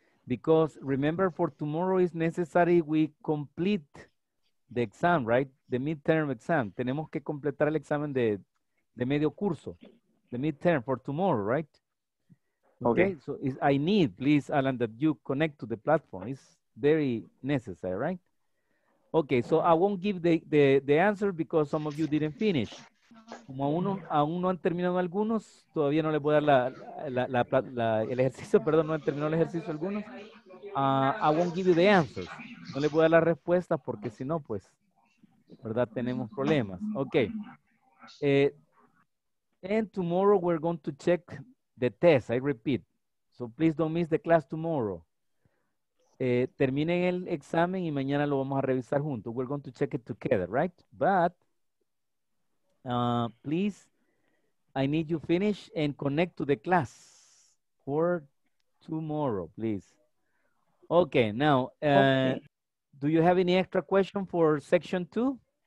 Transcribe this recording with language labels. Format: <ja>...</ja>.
<en>Because remember, for tomorrow is necessary we complete the exam, right? The midterm exam.</en> <es>Tenemos que completar el examen de medio curso.</es> <en>The midterm for tomorrow, right? Okay. So I need, please, Alan, that you connect to the platform. It's very necessary, right? Okay, so I won't give the answer because some of you didn't finish.</en> <es>Como aún no han terminado algunos, todavía no les voy a dar el ejercicio, perdón, no han terminado el ejercicio algunos.</es> <en>I won't give you the answers.</en> <es>No les voy a dar la respuesta porque si no, pues, ¿verdad? Tenemos problemas. Okay.</es> <en>And tomorrow we're going to check the test, I repeat. So please don't miss the class tomorrow.</en> <es>Terminen el examen y mañana lo vamos a revisar juntos.</es> <en>We're going to check it together, right? But, please, I need you finish and connect to the class for tomorrow, please. Okay, now, do you have any extra question for section two?</en>